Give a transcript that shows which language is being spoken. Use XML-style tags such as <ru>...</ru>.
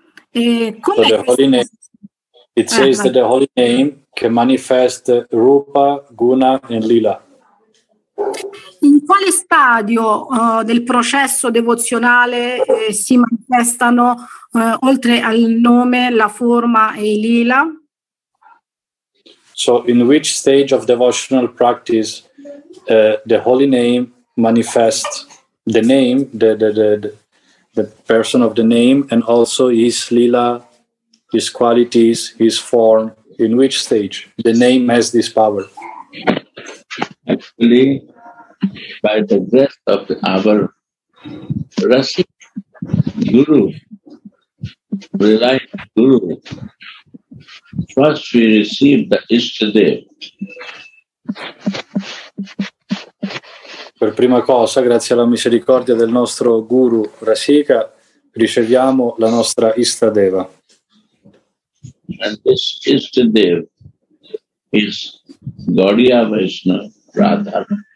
<en>So the holy name, it says that the holy name can manifest Rupa, Guna e Lila.</en> <it>In quale stadio del processo devozionale si manifestano, oltre al nome, la forma e il Lila?</it> <en>So in which stage of devotional practice the holy name manifests the name, the person of the name, and also his lila, his qualities, his form, in which stage the name has this power? Actually, by the grace of our Rasi Guru, Relaxed Guru, first we receive the Ishtadev.</en> <it>Per prima cosa, grazie alla misericordia del nostro Guru Rasika, riceviamo la nostra Ishtadeva.</it> <en>And this Ishtadev is Gaudiya Vaishnava, Radha.</en>